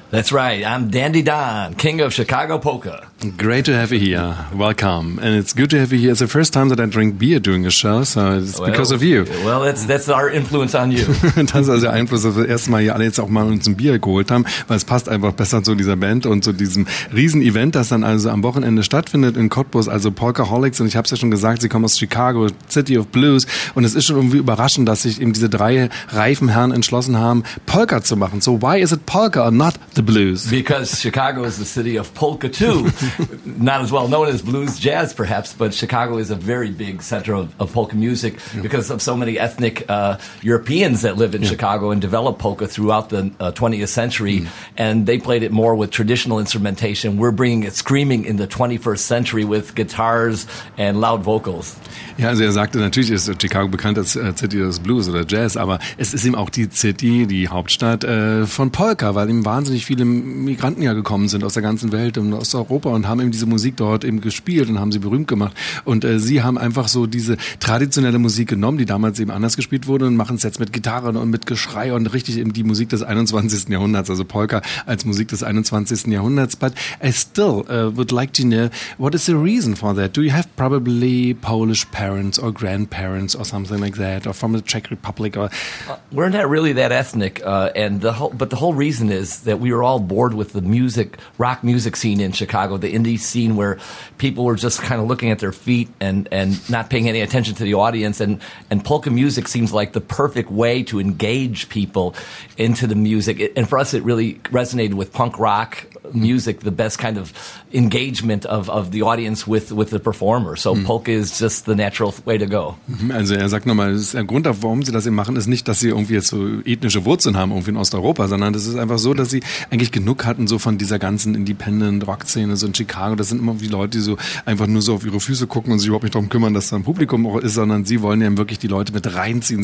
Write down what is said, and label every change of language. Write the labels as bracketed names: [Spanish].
[English] That's right, I'm Dandy Don, King of Chicago Polka. Great to have you here, welcome. And it's good to have you here. It's the first time that I drink beer during a show, so it's because of you. Well, that's our influence on you. [German] Das ist also der Einfluss, dass wir das erste Mal hier alle jetzt auch mal uns ein Bier geholt haben, weil es passt einfach besser zu dieser Band und zu diesem Riesen-Event, das dann also am Wochenende stattfindet in Cottbus, also Polkaholics. Und ich habe es ja schon gesagt, sie kommen aus Chicago, [English] City of Blues. [German] Und es ist schon irgendwie überraschend, dass sich eben diese drei reifen Herren entschlossen haben, Polka zu machen. [English] So why is it Polka or not the blues? Because Chicago is the city of polka too. Not as well known as blues jazz perhaps, but Chicago is a very big center of polka music because of so many ethnic Europeans that live in Chicago and develop polka throughout the 20th century. And they played it more with traditional instrumentation. We're bringing it screaming in the 21st century with guitars and loud vocals. [German] Ja, also er sagte, natürlich ist Chicago bekannt als City des Blues oder Jazz, aber es ist eben auch die City, die Hauptstadt von Polka, weil eben wahnsinnig viele Migranten ja gekommen sind aus der ganzen Welt und aus Europa und haben eben diese Musik dort eben gespielt und haben sie berühmt gemacht. Und sie haben einfach so diese traditionelle Musik genommen, die damals eben anders gespielt wurde und machen es jetzt mit Gitarren und mit Geschrei und richtig eben die Musik des 21. Jahrhunderts, also Polka als Musik des 21. Jahrhunderts. [English] But I still would like to know, what is the reason for that? Do you have probably Polish parents or grandparents or something like that, or from the Czech Republic? Or we're not really that ethnic, but the whole reason is that we were all bored with the music, rock music scene in Chicago, the indie scene where people were just kind of looking at their feet and not paying any attention to the audience. And polka music seems like the perfect way to engage people into the music. And for us, it really resonated with punk rock music, the best kind of engagement of the audience with the performer. So polka is just the natural way to go. [German] Also er sagt nochmal, der Grund, warum sie das eben machen, ist nicht, dass sie irgendwie jetzt so ethnische Wurzeln haben irgendwie in Osteuropa, sondern das ist einfach so, dass sie eigentlich genug hatten so von dieser ganzen Independent-Rock-Szene so in Chicago. Das sind immer wie Leute, die so einfach nur so auf ihre Füße gucken und sich überhaupt nicht darum kümmern, dass da ein Publikum auch ist, sondern sie wollen eben wirklich die Leute mit reinziehen.